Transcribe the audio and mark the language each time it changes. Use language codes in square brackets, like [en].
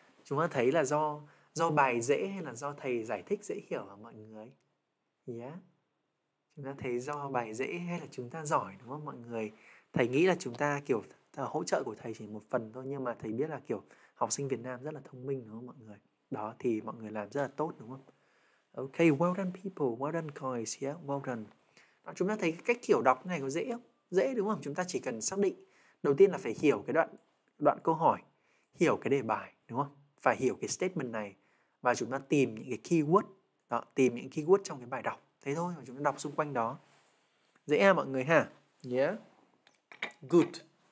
[vi] Chúng ta thấy là do bài dễ hay là do thầy giải thích dễ hiểu hả mọi người? Yeah. Chúng ta thấy do bài dễ hay là chúng ta giỏi đúng không mọi người? Thầy nghĩ là chúng ta kiểu hỗ trợ của thầy chỉ một phần thôi, nhưng mà thầy biết là kiểu học sinh Việt Nam rất là thông minh đúng không mọi người? Đó, thì mọi người làm rất là tốt đúng không? [en] Ok, well done people, well done guys, yeah, well done. [vi] Chúng ta thấy cách kiểu đọc này có dễ không? Dễ đúng không? Chúng ta chỉ cần xác định đầu tiên là phải hiểu cái đoạn câu hỏi, hiểu cái đề bài đúng không? Phải hiểu cái statement này và chúng ta tìm những cái keyword, đó, tìm những keyword trong cái bài đọc. Thế thôi, và chúng ta đọc xung quanh đó. Dễ à mọi người ha? Yeah. Good.